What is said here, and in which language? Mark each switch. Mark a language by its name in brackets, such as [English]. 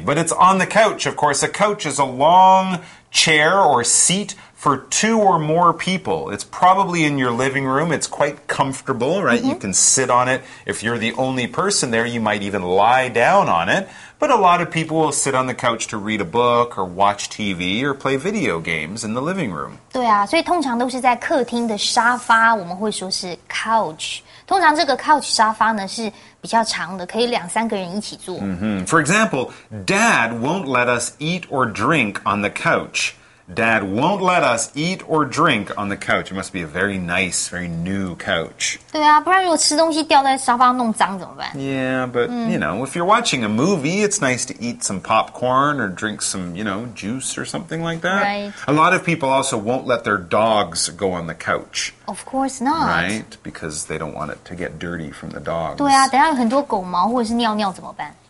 [English] But it's on the couch, of course. A couch is a long chair or seat for two or more people. It's probably in your living room. It's quite comfortable, right? Mm-hmm. You can sit on it. If you're the only person there, you might even lie down on it. But a lot of people will sit on the couch to read a book or watch TV or play video games in the living room. [Chinese] 对啊，所以通常都是在客厅的沙发，我们会说是 couch。通常这个 couch 沙发呢是比较长的，可以两三个人一起坐。 [English] Mm-hmm. For example, Dad won't let us eat or drink on the couch. Dad won't let us eat or drink on the couch. It must be a very nice, very new couch. [Chinese] 对啊，不然如果吃东西掉在沙发弄脏怎么办？ [English] Yeah, but, you know, if you're watching a movie, it's nice to eat some popcorn or drink some, you know, juice or something like that. Right. A lot of people also won't let their dogs go on the couch. Of course not. Right, because they don't want it to get dirty from the dogs. [Chinese] 对啊，等一下有很多狗毛或者是尿尿怎么办？